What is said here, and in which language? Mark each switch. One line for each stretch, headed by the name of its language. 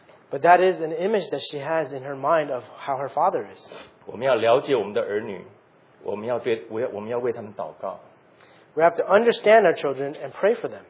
English: but that is an image that she has in her mind of how her father is.
Chinese: 我们要了解我们的儿女, 我们要为他们祷告。
English: We have to understand our children and pray for them.